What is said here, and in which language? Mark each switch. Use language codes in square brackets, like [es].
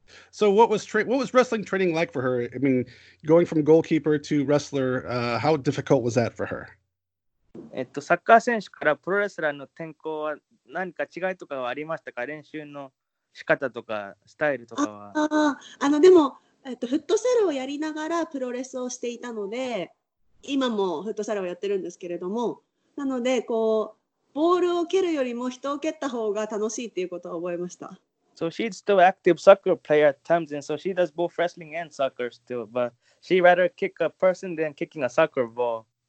[en] So what was wrestling training like for her? I mean, going from goalkeeper to wrestler, how difficult was that for her? [ja] サッカー選手からプロレスラーの転向は何か違いとかはありましたか？練習の仕方とかスタイルとかは。あのでも、フットサルをやりながらプロレスをしていたので、今もフットサルをやってるんですけれども、なのでこう、ボールを蹴るよりも人を蹴った方が楽しいっていうことを覚えました。 [en] So she's still active soccer player at times, and so she does both wrestling and soccer still, but she rather kick a person than kicking a soccer ball.